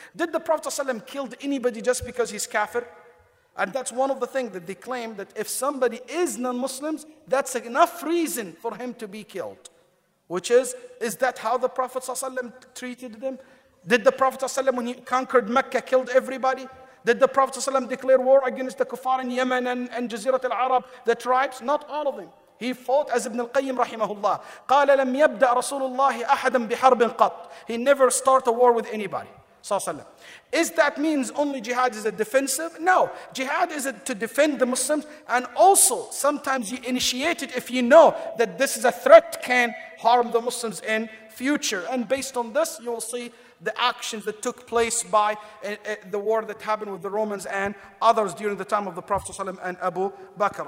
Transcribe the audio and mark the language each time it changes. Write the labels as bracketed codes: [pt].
[en] Did the Prophet sallallahu alaihi wasallam kill anybody just because he's kafir? And that's one of the things that they claim, that if somebody is non-Muslims, that's enough reason for him to be killed. Which is that how the Prophet ﷺ treated them? Did the Prophet ﷺ, when he conquered Mecca, killed everybody? Did the Prophet ﷺ declare war against the kuffar in Yemen and Jazirat al-Arab, the tribes? Not all of them. He fought as Ibn al-Qayyim rahimahullah. [ar] قَالَ لَمْ يَبْدَأْ رَسُولُ اللَّهِ أَحَدًا بِحَرْبٍ قَطْ. [en] He never started a war with anybody. [ar] وسلم. [en] Is that means only jihad is a defensive? No. Jihad is to defend the Muslims, and also sometimes you initiate it if you know that this is a threat can harm the Muslims in future. And based on this, you will see the actions that took place by the war that happened with the Romans and others during the time of the Prophet ﷺ and Abu Bakr.